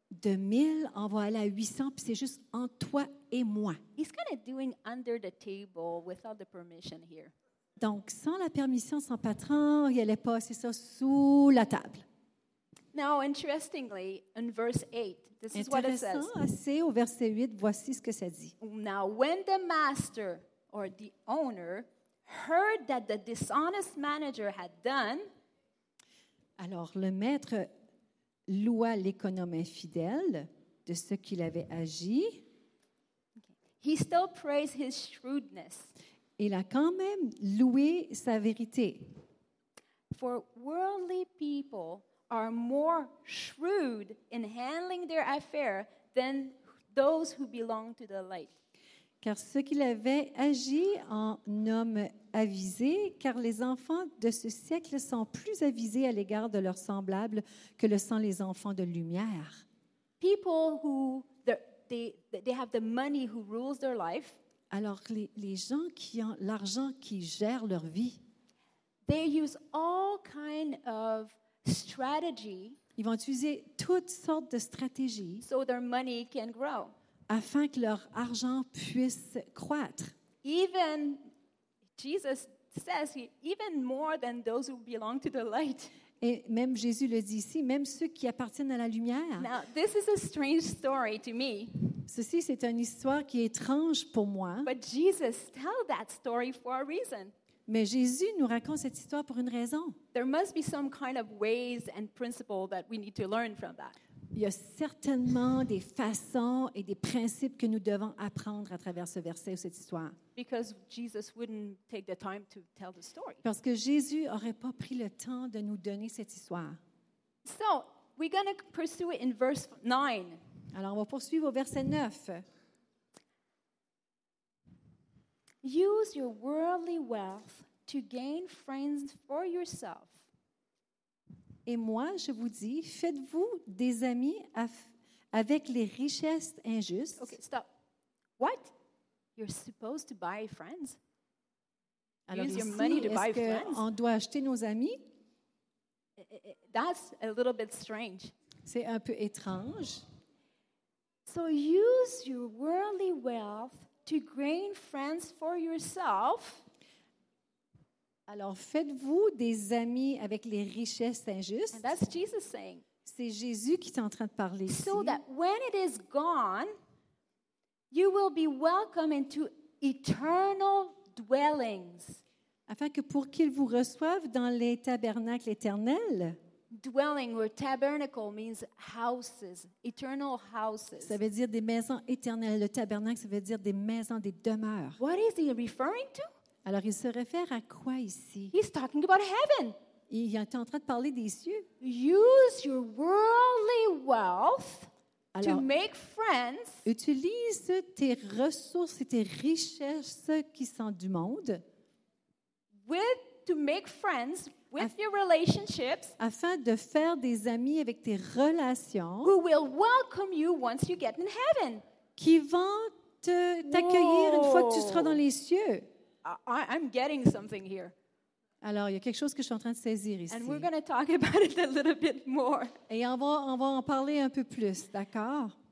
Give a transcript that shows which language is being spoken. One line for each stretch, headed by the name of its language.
French: De 1,000, on va aller à 800, puis c'est juste entre toi et moi.
English: He's kind of doing under the table without the permission here.
French: Donc, sans la permission, sans patron, il n'allait pas, c'est ça, sous la table.
English: Now, interestingly, in verse 8, this is what it says.
French: Intéressant, assez au verset 8, voici ce que ça dit.
English: Now, when the master or the owner heard that the dishonest manager had done.
French: Alors, le maître loua l'économe infidèle de ce qu'il avait agi.
English: He still praised his shrewdness.
French: Il a quand même loué sa vérité.
English: For worldly people are more shrewd in handling their affair than those who belong to the light.
French: Car ce qu'il avait agi en homme avisé, car les enfants de ce siècle sont plus avisés à l'égard de leurs semblables que le sont les enfants de lumière.
English: People who they have the money who rules their life.
French: Alors, les gens qui ont l'argent qui gère leur vie,
English: they use all kind of strategy,
French: ils vont utiliser toutes sortes de stratégies
English: so their money can grow.
French: Afin que leur argent puisse croître.
English: Even Jesus says, even more than those who belong to the light.
French: Et même Jésus le dit ici, même ceux qui appartiennent à la lumière.
English: Now, this is a strange story to me.
French: Ceci, c'est une histoire qui est étrange pour moi.
English: But Jesus tell that story for a reason.
French: Mais Jésus nous raconte cette histoire pour une raison.
English: There must be some kind of ways and principle that we need to learn from that.
French: Il y a certainement des façons et des principes que nous devons apprendre à travers ce verset ou cette histoire.
English: Because Jesus wouldn't take the time to tell the story.
French: Parce que Jésus n'aurait pas pris le temps de nous donner cette histoire.
English: So, we're going to pursue it in verse 9.
French: Alors, on va poursuivre au verset 9.
English: Use your worldly wealth to gain friends for yourself.
French: Et moi, je vous dis, faites-vous des amis avec les richesses injustes.
English: Okay, stop. What? You're supposed to buy friends?
French: Alors
English: use your money to buy friends?
French: Est-ce qu'on doit acheter nos amis?
English: That's a little bit strange.
French: C'est un peu étrange.
English: So use your worldly wealth to gain friends for yourself.
French: Alors, faites-vous des amis avec les richesses injustes.
English: And that's Jesus saying.
French: C'est Jésus qui est en train de parler ici.
English: So that when it is gone, you will be welcome into eternal dwellings.
French: Afin que pour qu'il vous reçoive dans les tabernacles éternels.
English: Dwelling or tabernacle means houses, eternal houses.
French: Ça veut dire des maisons éternelles. Le tabernacle, ça veut dire des maisons, des demeures.
English: What is he referring to?
French: Alors, il se réfère à quoi ici?
English: He's talking about heaven.
French: Il est en train de parler des cieux.
English: Use your worldly wealth to make friends.
French: Utilise tes ressources et tes richesses qui sont du monde.
English: To make friends with your relationships.
French: Afin de faire des amis avec tes relations.
English: Who will welcome you once you get in heaven?
French: Qui vont t'accueillir une fois que tu seras dans les cieux.
English: I'm getting something here.
French: Alors, il y a quelque chose que je suis en train de saisir ici.
English: And we're going to talk about it a little bit more.
French: Et on va en parler un peu plus, d'accord?